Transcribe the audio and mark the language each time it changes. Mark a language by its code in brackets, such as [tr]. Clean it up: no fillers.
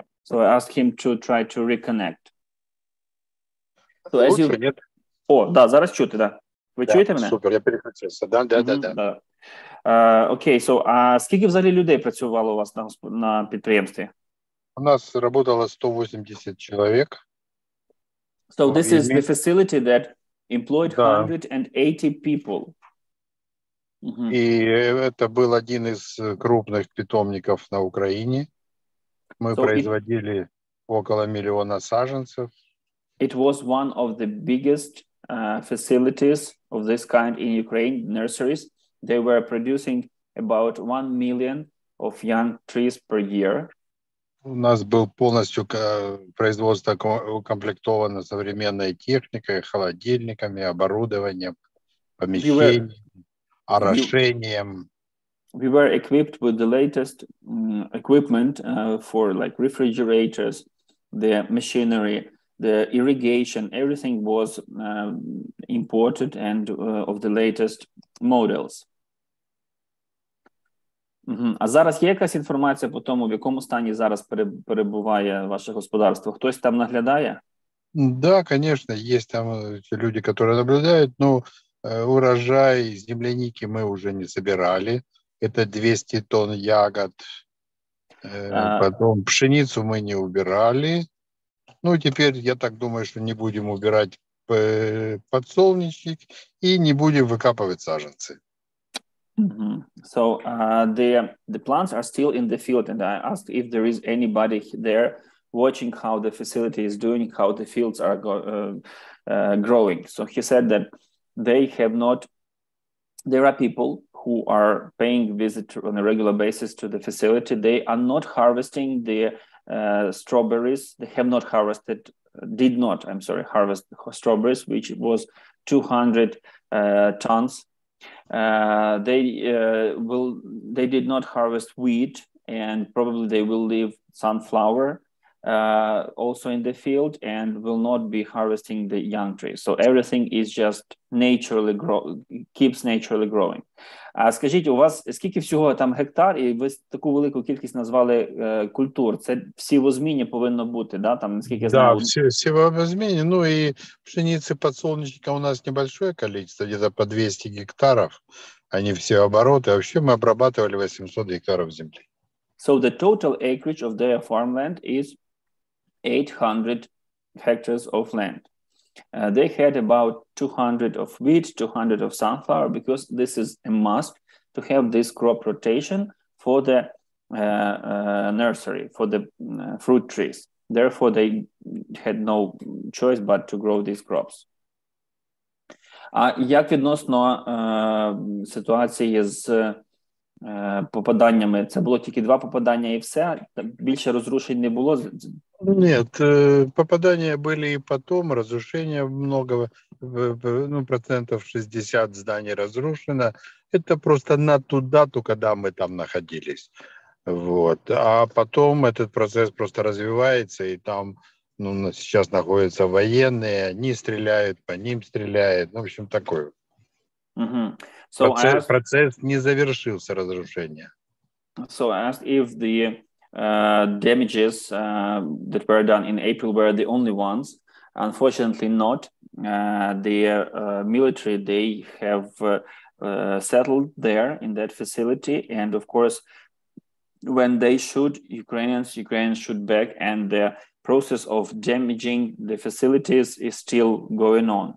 [en] So I asked him to try to reconnect. So as you... [ru] Лучше, [uk] О, да, зараз чути, да. Ви да, чуєте мене? Супер, я переключився. Да, да, mm-hmm, да. Окей, so, а скільки взагалі людей працювало у вас на підприємстві? [ru] У нас работало 180 чоловік. [en] So this is the facility that employed 180 people. [uk] Mm-hmm. І це був один із крупних питомників на Україні. [ru] Мы производили около миллиона саженцев. [en] It was one of the biggest facilities of this kind in Ukraine nurseries, they were producing about 1 million of young trees per year. [ru] У нас был полностью производство укомплектовано современной техникой, холодильниками, оборудованием, помещением, орошением. [en] We were equipped with the latest equipment for like refrigerators, the machinery, the irrigation, everything was imported and of the latest models. Угу. [uk] А зараз є якась інформація по тому, в якому стані зараз перебуває ваше господарство? Хтось там наглядає? [ru] Да, конечно, [uk] є там люди, які наглядають, ну, урожай земляники ми вже не збирали. [ru] Это 200 тонн ягод. Потом пшеницу мы не убирали. Ну, теперь я так думаю, что не будем убирать подсолнечник и не будем выкапывать саженцы. Mm-hmm. [en] So the plants are still in the field, and I asked if there is anybody there watching how the facility is doing, how the fields are growing. So he said that they have not, there are people who are paying visit on a regular basis to the facility. They are not harvesting the strawberries. They have not harvested, harvest strawberries, which was 200 tons. They did not harvest wheat, and probably they will leave sunflower also in the field and will not be harvesting the young trees. So everything is just naturally keeps naturally growing. [uk] А скажіть, у вас скільки всього там гектар, і ви таку велику кількість назвали культур? Це сівозміння повинно бути, да? Там скільки да, сівозміння. Ну і пшениці підсолнечника у нас [ru] небольшое количество, где-то по 200 гектаров. Они все обороты. Вообще мы обрабатывали 800 гектаров земли. [en] So the total acreage of their farmland is 800 hectares of land. They had about 200 of wheat, 200 of sunflower, because this is a must to have this crop rotation for the nursery, for the fruit trees. Therefore, they had no choice but to grow these crops. [uk] А як відносно ситуації з попаданнями? Це було тільки два попадання і все? Більше розрушень не було? [ru] Нет, попадания были и потом, разрушения много, ну, процентов 60 зданий разрушено. Это просто на ту дату, когда мы там находились. Вот. А потом этот процесс просто развивается, и там ну, сейчас находятся военные, они стреляют, по ним стреляют, ну, в общем, такое. Uh-huh. [en] So [ru] процесс, процесс не завершился, разрушение. [en] So I asked if the damages that were done in April were the only ones. Unfortunately, not. The military, they have settled there in that facility. And of course, when they shoot Ukrainians shoot back, and the process of damaging the facilities is still going on.